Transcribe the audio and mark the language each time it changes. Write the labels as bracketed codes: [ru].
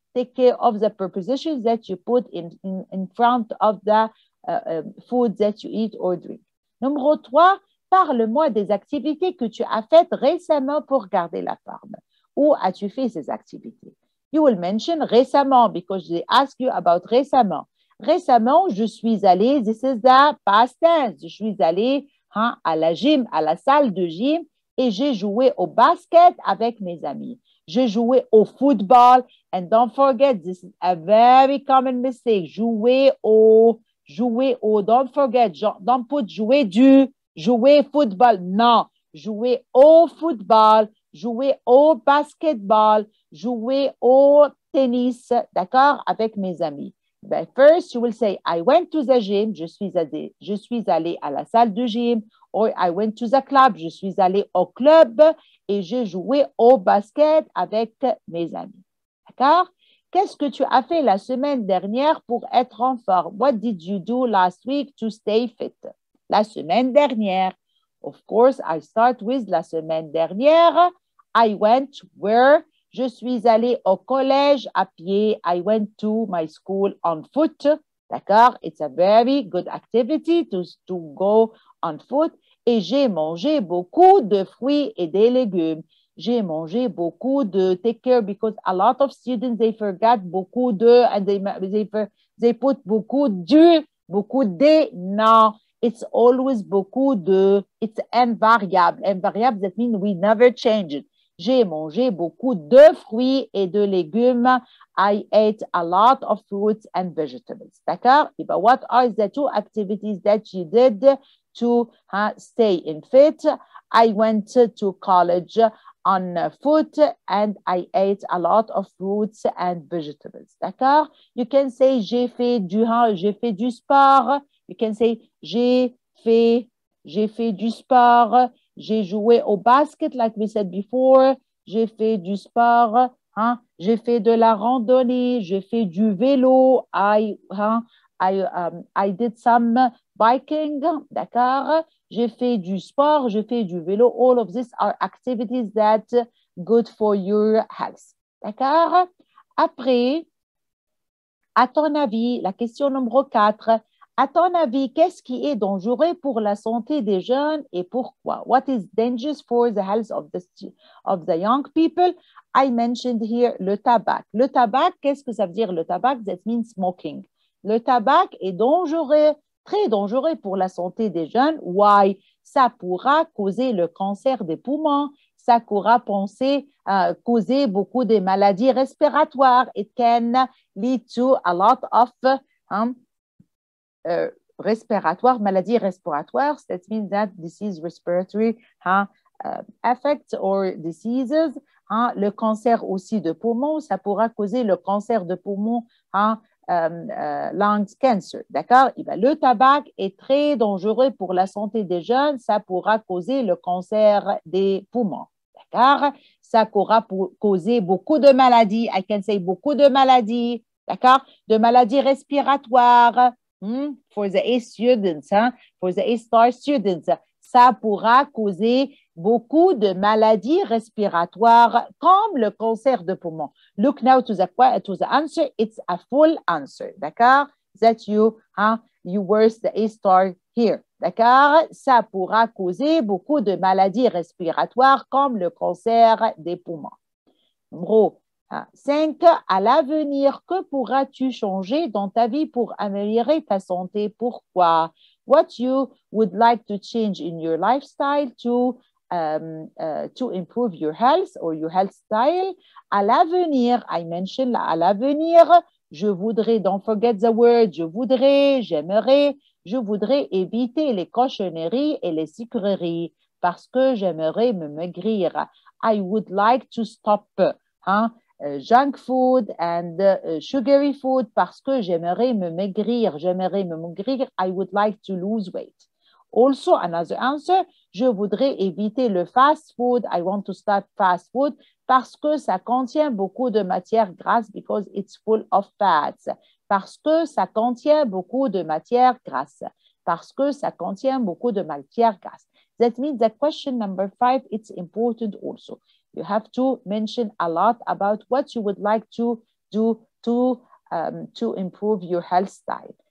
[en] Take care of the prepositions that you put in front of the food that you eat or drink. [fr] Numéro 3, parle-moi des activités que tu as faites récemment pour garder la forme. Où as-tu fait ces activités? [en] You will mention récemment because they ask you about récemment. [fr] Récemment, je suis allée, [en] this is the past tense, [fr] je suis allée hein, à la gym, à la salle de gym et j'ai joué au basket avec mes amis. J'ai joué au football [en] and don't forget, this is a very common mistake, [fr] jouer au, [en] don't forget, don't put [fr] jouer du, jouer football, non, jouer au football, jouer au basketball, jouer au tennis, d'accord, avec mes amis. [en] But first, you will say, I went to the gym, [fr] je suis allée à la salle de gym, [en] or I went to the club, [fr] je suis allée au club, et j'ai joué au basket avec mes amis. D'accord? Qu'est-ce que tu as fait la semaine dernière pour être en forme? [en] What did you do last week to stay fit? [fr] La semaine dernière. [en] Of course, I start with [fr] la semaine dernière. [en] I went where? [fr] Je suis allée au collège à pied. [en] I went to my school on foot. D'accord? It's a very good activity to go on foot. [fr] Et j'ai mangé beaucoup de fruits et des légumes. J'ai mangé beaucoup de, [en] take care, because a lot of students, they forget [fr] beaucoup de, [en] and they put [fr] beaucoup de, beaucoup des, non. [en] It's always beaucoup de, it's invariable. Invariable, that means we never change it. [fr] J'ai mangé beaucoup de fruits et de légumes. [en] I ate a lot of fruits and vegetables. D'accord? But what are the two activities that you did to stay in fit? I went to college on foot and I ate a lot of fruits and vegetables. [fr] D'accord? [en] You can say [fr] j'ai fait du sport. [en] You can say [fr] j'ai fait du sport. J'ai joué au basket, [en] like we said before. [fr] J'ai fait du sport. Hein? J'ai fait de la randonnée. J'ai fait du vélo. [en] I did some biking. D'accord? [fr] J'ai fait du sport. J'ai fait du vélo. [en] All of these are activities that are good for your health. [fr] D'accord? Après, à ton avis, la question numéro 4. À ton avis, qu'est-ce qui est dangereux pour la santé des jeunes et pourquoi? [en] What is dangerous for the health of the young people? I mentioned here le tabac. [fr] Le tabac, qu'est-ce que ça veut dire le tabac? [en] That means smoking. [fr] Le tabac est dangereux, très dangereux pour la santé des jeunes. [en] Why? [fr] Ça pourra causer le cancer des poumons. Ça pourra causer beaucoup de maladies respiratoires. [en] It can lead to a lot of [fr] respiratoire, maladie respiratoire, [en] that means that this is respiratory effects or diseases. Hein? [fr] Le cancer aussi de poumon, ça pourra causer le cancer de poumon, hein? [en] Lung cancer. [fr] D'accord? Et bien, le tabac est très dangereux pour la santé des jeunes, ça pourra causer le cancer des poumons. D'accord? Ça pourra causer beaucoup de maladies, [en] I can say [fr] beaucoup de maladies, d'accord? De maladies respiratoires. [en] For the A students, for the A star students, [fr] ça pourra causer beaucoup de maladies respiratoires comme le cancer de poumon. [en] Look now to the answer. It's a full answer. D'accord? That you, huh? You worse the A-star here. D'accord? [fr] Ça pourra causer beaucoup de maladies respiratoires comme le cancer des poumons. Numéro 5. À l'avenir, que pourras-tu changer dans ta vie pour améliorer ta santé? Pourquoi? [en] What you would like to change in your lifestyle to improve your health or your health style? [fr] À l'avenir, [en] I mentioned [fr] à l'avenir, je voudrais, [en] don't forget the word, [fr] je voudrais, j'aimerais, je voudrais éviter les cochonneries et les sucreries parce que j'aimerais me maigrir. [en] I would like to stop junk food and sugary food [fr] parce que j'aimerais me maigrir, [en] j'aimerais me maigrir. I would like to lose weight. Also, another answer, [fr] je voudrais éviter le fast food. [en] I want to stop fast food [fr] parce que ça contient beaucoup de matières grasses [en] because it's full of fats. [fr] Parce que ça contient beaucoup de matières grasses. Parce que ça contient beaucoup de matières grasses. [en] That means that question number 5, it's important also. You have to mention a lot about what you would like to do to improve your health style.